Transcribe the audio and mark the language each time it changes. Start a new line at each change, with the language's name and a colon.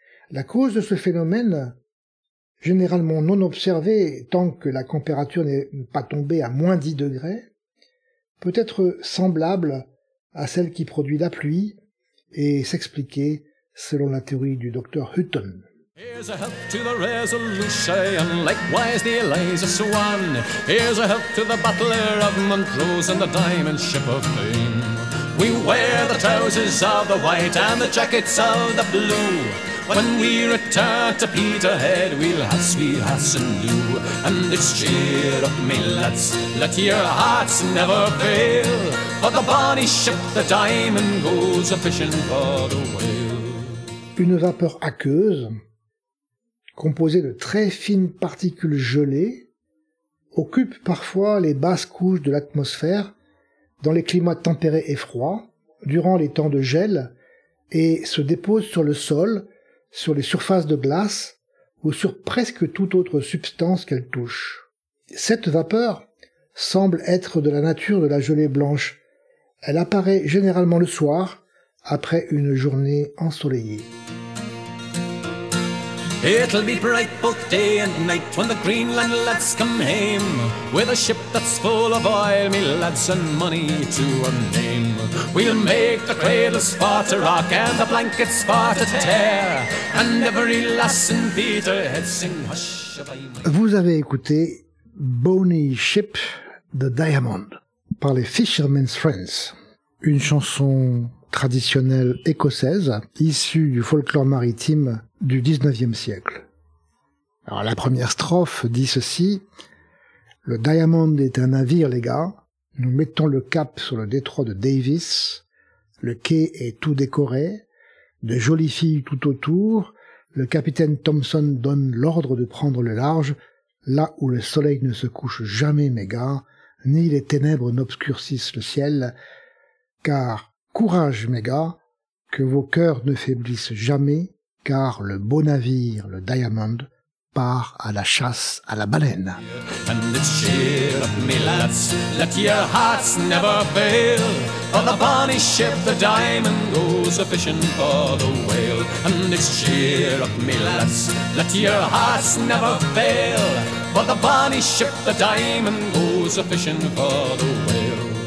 French: La cause de ce phénomène, généralement non observée tant que la température n'est pas tombée à moins 10 degrés, peut être semblable à celle qui produit la pluie et s'expliquer selon la théorie du docteur Hutton.
English: Here's a health to the resolution, likewise the Eliza Swan. Here's a health to the butler of Montrose and the diamond ship of fame. We wear the trousers of the white and the jackets of the blue. When we return to Peterhead, we'll hass and do. And this cheer up, me lads, let your hearts never fail. For the bonny ship, the diamond, goes a-fishing for the whale.
French: Une vapeur aqueuse, composée de très fines particules gelées, occupe parfois les basses couches de l'atmosphère dans les climats tempérés et froids, durant les temps de gel, et se dépose sur le sol, sur les surfaces de glace ou sur presque toute autre substance qu'elle touche. Cette vapeur semble être de la nature de la gelée blanche. Elle apparaît généralement le soir, après une journée ensoleillée.
English: It'll be bright both day and night when the Greenland lads come home with a ship that's full of oil, me lads, and money to our name. We'll make the cradles for to rock and the blankets for to tear, and every lass in Peterhead sing hush.
French: Vous avez écouté Bonny Ship, the Diamond, par les Fisherman's Friends, une chanson traditionnelle écossaise, issue du folklore maritime du XIXe siècle. Alors la première strophe dit ceci: le Diamond est un navire, les gars, nous mettons le cap sur le détroit de Davis, le quai est tout décoré, de jolies filles tout autour, le capitaine Thompson donne l'ordre de prendre le large, là où le soleil ne se couche jamais, mes gars, ni les ténèbres n'obscurcissent le ciel, car courage, mes gars, que vos cœurs ne faiblissent jamais, car le beau navire, le Diamond, part à la chasse à la baleine.
English: And it's cheer up, me lads, let your hearts never fail. On the bonny ship, the Diamond, goes a-fishing for the whale. And it's cheer up, me lads, let your hearts never fail. On the bonny ship, the Diamond, goes a-fishing for the whale.